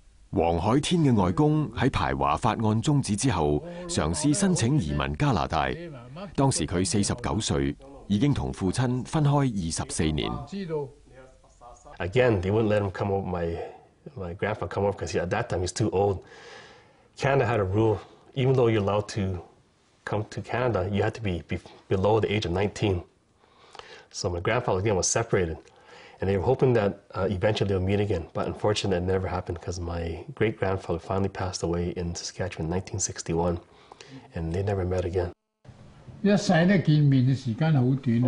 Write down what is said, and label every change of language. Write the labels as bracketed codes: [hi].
[yue] 黄海天嘅外公喺排华法案终止之后，尝试申请移民加拿大。当时佢49岁，已经同父亲分开24年。 [en] Again, they wouldn't let him come over. My grandpa come over because at that time he's too old. Canada had a rule, even though you're allowed to come to Canada, you had to be below the age of 19. So my grandfather again was separated, and they were hoping that eventually they'll meet again, but unfortunately it never happened because my great-grandfather finally passed away in Saskatchewan in 1961, and they never met again. [yue] 一世咧見面嘅時間好短啊，